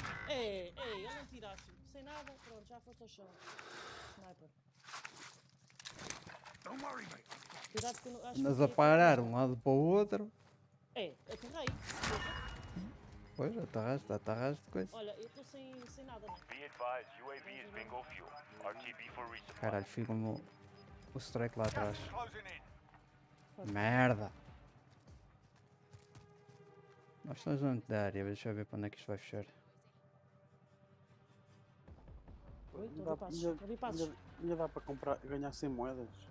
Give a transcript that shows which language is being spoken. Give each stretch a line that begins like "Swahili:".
Portuguese: Ei, ei, eu não tirasse. Sem nada, pronto, já foste ao chão. Sniper.
English: Don't worry, mate!
Portuguese: Cuidado que eu não. Andas a parar um lado para o outro. É, aterrei. Pois, aterraste com isso. Olha, eu estou sem nada, não.
English: Be advised, UAV is bingo fuel. RTB for resupply.
Portuguese: Caralho, fica o strike lá atrás. Merda! Nós estamos dentro da área, deixa eu ver para onde é que isto vai fechar. Ainda dá para comprar, ganhar 100 moedas?